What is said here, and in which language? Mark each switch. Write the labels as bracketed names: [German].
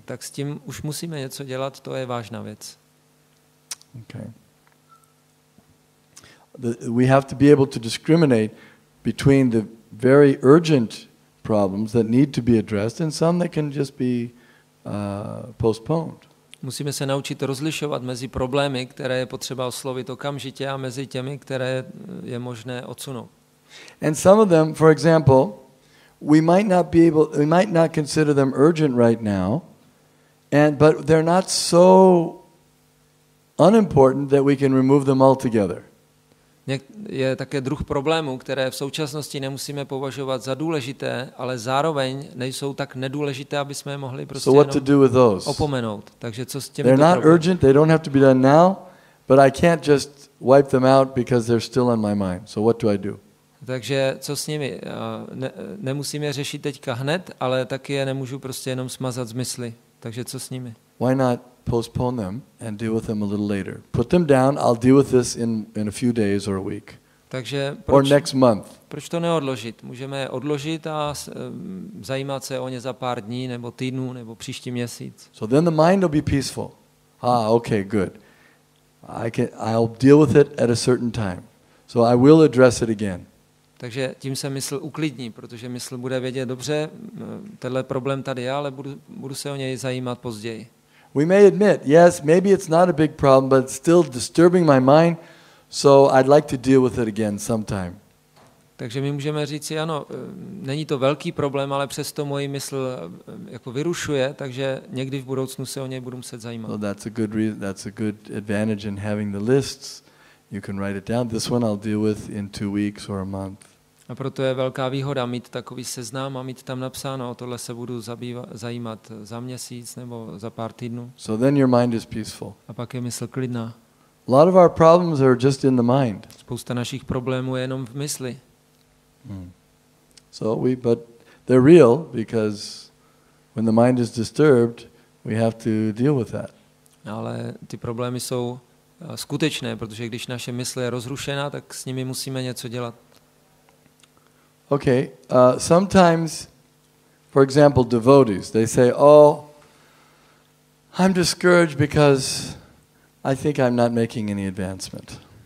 [Czech] Tak s tím už musíme něco dělat, to je vážná věc. [English] Okay. We have to be able to discriminate between the very urgent problems that need to be addressed and some that can just be postponed. [Czech] Musíme se naučit rozlišovat mezi problémy, které je potřeba oslovit okamžitě, a mezi těmi, které je možné odsunout. [English] And some of them, for example, we might not consider them urgent right now, but they're not so unimportant that we can remove them altogether. [Czech] Je také druh problémů, které v současnosti nemusíme považovat za důležité, ale zároveň nejsou tak nedůležité, aby jsme je mohli prostě jenom opomenout. Takže co s těmi problémy? [English] They're not urgent, they don't have to be done now, but I can't just wipe them out because they're still on my mind. So what do I do? [Czech] Takže co s nimi? Nemusíme řešit teďka hned, ale taky je nemůžu prostě jenom smazat z mysli. Takže co s nimi? [English] Why not postpone them and deal with them a little later. Put them down. I'll deal with this in a few days or a week. [Czech] Takže [English] or next month. [Czech] Proč to neodložit? Můžeme odložit a zajímat se o ně za pár dní nebo týdnů nebo příští měsíc. [English] So then the mind will be peaceful. Ah, okay, good. I'll deal with it at a certain time. So I will address it again. [Czech] Takže tím se mysl uklidní, protože mysl bude vědět, dobře, tenhle problém tady je, ale budu se o něj zajímat později. [English] We may admit, yes, maybe it's not a big problem, but it's still disturbing my mind, so I'd like to deal with it again sometime. [Czech] Takže my můžeme říct, ano, není to velký problém, ale přesto moji mysl jako vyrušuje, takže někdy v budoucnu se o něj budu muset zajímat. [English] Well, that's a good advantage in having the lists. You can write it down. This one I'll deal with in 2 weeks or a month. [Czech] A proto je velká výhoda mít takový seznam a mít tam napsáno, o tohle se budu zajímat za měsíc nebo za pár týdnů. [English] So then your mind is peaceful. [Czech] A pak je mysl klidná. [English] A lot of our problems are just in the mind. [Czech] Spousta našich problémů je jenom v mysli. [English] So but they're real because when the mind is disturbed, we have to deal with that. [Czech] Ale ty problémy jsou skutečné, protože když naše mysl je rozrušená, tak s nimi musíme něco dělat. [English] Okay, sometimes, for example, devotees, they say, oh, I'm discouraged because I think I'm not making any advancement.